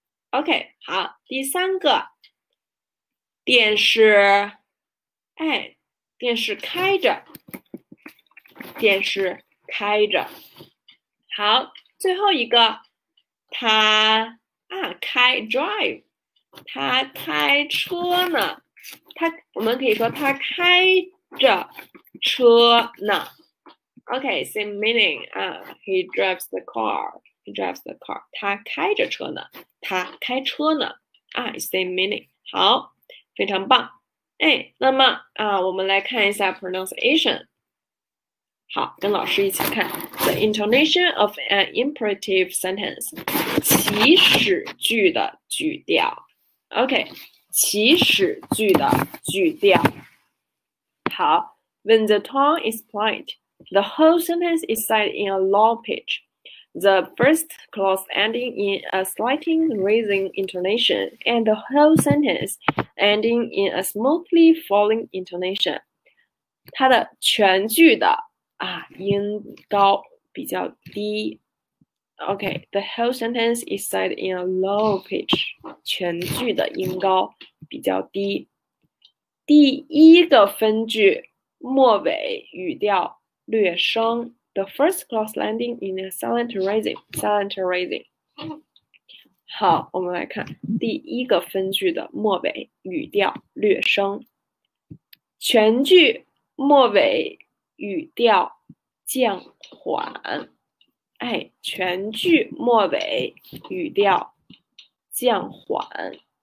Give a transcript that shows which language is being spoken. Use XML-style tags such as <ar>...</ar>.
<zh>OK，好，第三个，电视，哎，电视开着，电视开着。好，最后一个，他啊，开 drive。他开车呢，他我们可以说他开着车呢。</zh> <en>OK，same meaning 啊，he drives the car.</en> <zh>He drives the car. 他开着车呢，他开车呢啊， same meaning。好，非常棒。哎，那么啊，我们来看一下 pronunciation。好，跟老师一起看 the intonation of an imperative sentence，祈使句的句调。 OK，祈使句的句调。好，</zh> <en>When the tone is polite, the whole sentence is said in a low pitch, the first clause ending in a slightly raising intonation, and the whole sentence ending in a smoothly falling intonation.</en> <zh>它的全句的啊音高比较低。</zh> <en>Okay, the whole sentence is said in a low pitch.</en> <zh>全句的音高比较低。第一个分句末尾语调略升。</zh> <en>The first clause landing in a silent rising. Silent rising.</en> <zh>好，我们来看第一个分句的末尾语调略升。全句末尾语调降缓。哎，全句末尾语调降缓。</zh>